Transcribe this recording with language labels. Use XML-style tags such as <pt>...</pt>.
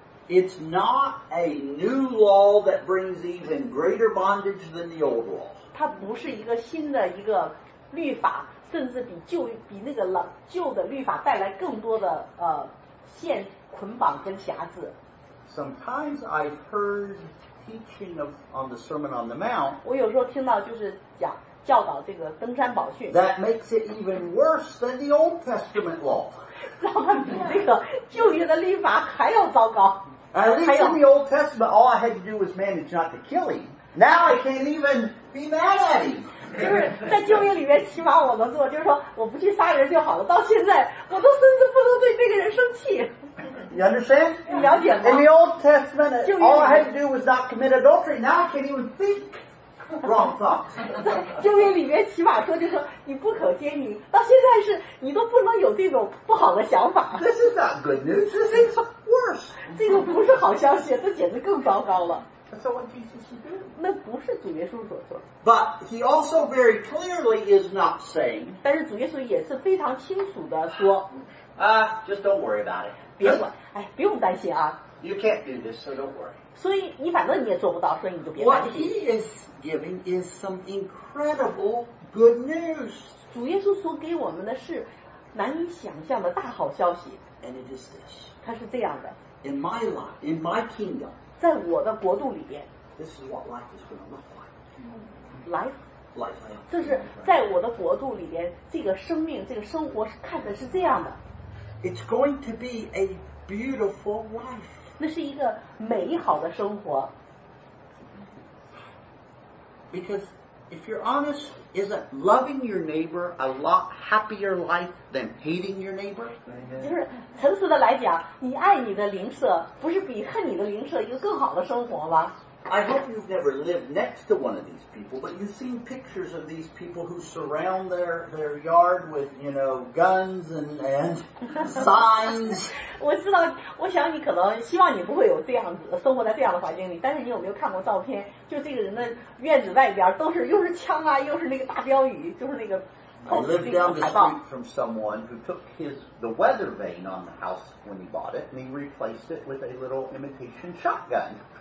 <en>It's not a new law that brings even greater bondage than the old law.</en> <zh>它不是一个新的一个律法，甚至比那个老旧的律法带来更多的限捆绑跟辖制。</zh> <en>Sometimes I've heard teaching of on the Sermon on the Mount.</en> <zh>我有时候听到就是讲教导这个登山宝训。</zh> <en>That makes it even worse than the Old Testament law.</en> <zh>让它比这个旧约的律法还要糟糕。</zh> <en>At least in the Old Testament, all I had to do was manage not to kill him. Now I can't even be mad at him.</en> <zh>就是在旧约里面，起码我能做，就是说我不去杀人就好了。到现在，我都甚至不能对这个人生气。</zh> <en>You understand?</en> <zh>你了解吗？</zh> <en>In the Old Testament, all I had to do was not commit adultery. Now I can't even think wrong thoughts.</en> <zh>在旧约里面，起码说就是说你不可奸淫。到现在是你都不能有这种不好的想法。</zh> <en>This is not good news. This is worse.</en> <zh>这个不是好消息，这简直更糟糕了。</zh> <en>So what Jesus is doing?</en> <zh>那不是主耶稣所做。</zh> <en>But he also very clearly is not saying.</en> <zh>但是主耶稣也是非常清楚的说。</zh> <en>Just don't worry about it.</en> <zh>别管，哎，不用担心啊。</zh> <en>You can't do this, so don't worry.</en> <zh>所以你反正你也做不到，所以你就别担心。</zh> <en>What he is giving is some incredible good news.</en> <zh>主耶稣所给我们的是难以想象的大好消息。</zh> <en>And it is this.</en> <zh>它是这样的。</zh> <en>In my life, in my kingdom.</en> <zh>在我的国度里边，</zh> <en>this is what life is going to look like. Life? Life,</en> <zh>这是在我的国度里边，这个生命，这个生活是看的是这样的。</zh> <en>It's going to be a beautiful life.</en> <zh>那是一个美好的生活。</zh> <en>Because if you're honest, isn't loving your neighbor a lot happier life than hating your neighbor?</en> <zh>就是诚实的来讲，你爱你的邻舍，不是比恨你的邻舍一个更好的生活吗？</zh> <en>I hope you've never lived next to one of these people, but you've seen pictures of these people who surround their yard with, you know, guns and signs.</en> <zh>我知道，我想你可能希望你不会有这样子生活在这样的环境里。但是你有没有看过照片？就这个人的院子外边都是又是枪啊，又是那个大标语，就是那个。</zh> <en>I lived down the street from someone who took the weather vane on the house when he bought it, and he replaced it with a little imitation shotgun.</en>